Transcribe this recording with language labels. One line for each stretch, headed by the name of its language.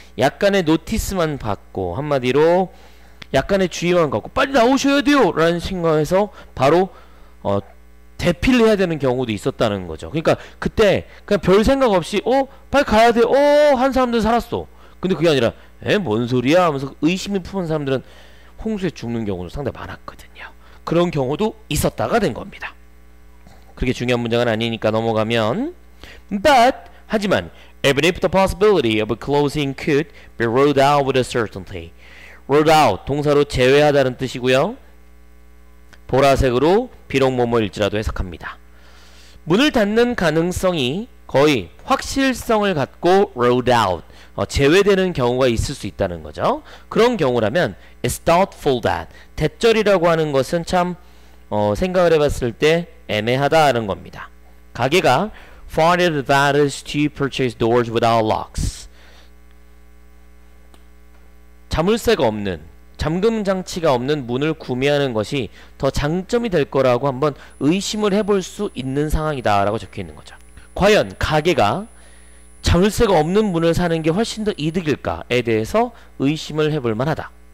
Korean: 약간의 노티스만 받고, 한마디로 약간의 주의만 갖고 빨리 나오셔야 돼요 라는 생각에서 바로 대피를 해야 되는 경우도 있었다는 거죠. 그러니까 그때 그냥 별 생각 없이 빨리 가야 돼, 한 사람들 살았어. 근데 그게 아니라 뭔 소리야 하면서 의심이 품은 사람들은 홍수에 죽는 경우도 상당히 많았거든요. 그런 경우도 있었다가 된 겁니다. 그렇게 중요한 문장은 아니니까 넘어가면,
English: but 하지만 even if the possibility of a closing could be ruled out with a certainty.
Korean: Rule out 동사로 제외하다는 뜻이고요. 보라색으로 비록 뭐뭐일지라도 해석합니다. 문을 닫는 가능성이 거의 확실성을 갖고 ruled out 제외되는 경우가 있을 수 있다는 거죠. 그런 경우라면
English: it's doubtful that
Korean: 대절이라고 하는 것은 참 생각을 해봤을 때 애매하다는 겁니다.
English: 가게가 find it advantage to purchase doors without locks.
Korean: 자물쇠가 없는, 잠금 장치가 없는 문을 구매하는 것이 더 장점이 될 거라고 한번 의심을 해볼 수 있는 상황이다 라고 적혀 있는 거죠. 과연 가게가 자물쇠가 없는 문을 사는 게 훨씬 더 이득일까에 대해서 의심을 해볼 만하다.